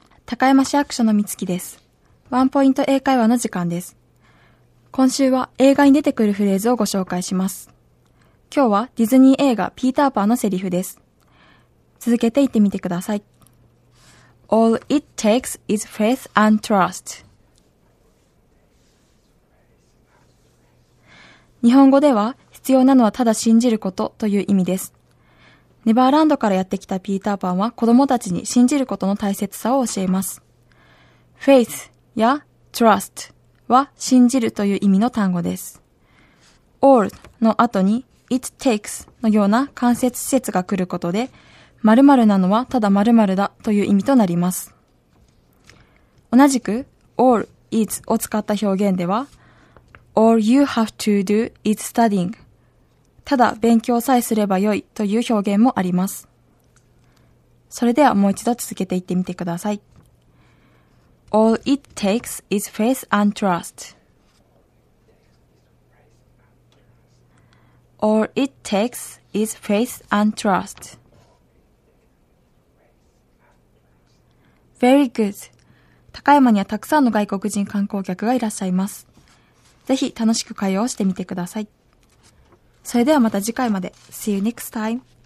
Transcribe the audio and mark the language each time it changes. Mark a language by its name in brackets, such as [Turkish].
[Japanese] 高山市役所の三月です。ワンポイント英会話の時間です。今週は映画に出てくるフレーズをご紹介します。今日はディズニー映画ピーターパンのセリフです。続けて言ってみてください。 [English] All it takes is faith and trust. [Japanese] 日本語では必要なのはただ信じることという意味です。ネバーランドからやってきたピーターパンは子供たちに信じることの大切さを教えます。 Faith や Trust は信じるという意味の単語です。 All の後に It takes のような間接施設が来ることで、〇〇なのはただ〇〇だという意味となります。同じく [English] All is [Japanese] を使った表現では、 [English] All you have to do is studying。 [Japanese] ただ勉強さえすればよいという表現もあります。それではもう一度続けていってみてください。 [English] All it takes is faith and trust. All it takes is faith and trust. Very good. [Japanese] 高山にはたくさんの外国人観光客がいらっしゃいます。ぜひ楽しく会話をしてみてください。それではまた次回まで。 [English] See you next time.